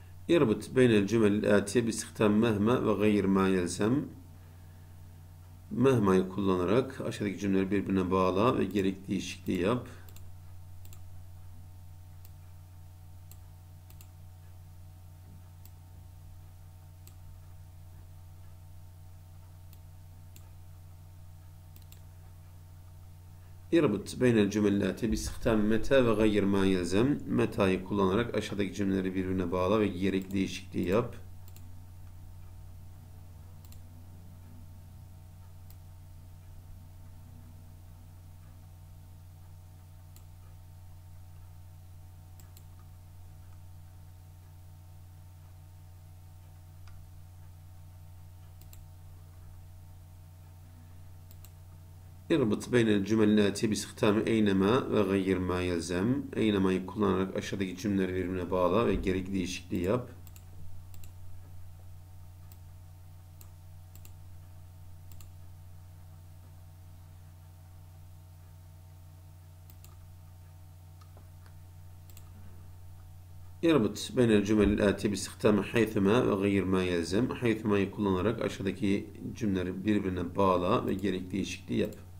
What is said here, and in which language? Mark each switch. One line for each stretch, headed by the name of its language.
Arabic: يربط بين الجمل الآتية باستخدام مهما وغير ما يلزم.
Turkish: مهما kullanarak aşağıdaki cümleleri birbirine bağla ve gerekli değişikliği yap.
Arabic: يربط بين الجملات باستخدام متى وغير ما يلزم.
Turkish: متى'yı kullanarak aşağıdaki cümleleri birbirine bağla ve gerekli değişikliği yap.
Arabic: اربط بين الجمل الآتية باستخدام أينما وغير ما يلزم.
Turkish: أينما'yı kullanarak aşağıdaki cümleleri birbirine bağla ve gerekli değişikliği yap.
Arabic: يربط بين الجمل الآتية باستخدام حيثما وغير ما يلزم.
Turkish: حيثما'yı kullanarak aşağıdaki cümleleri birbirine bağla ve gerekli değişikliği yap.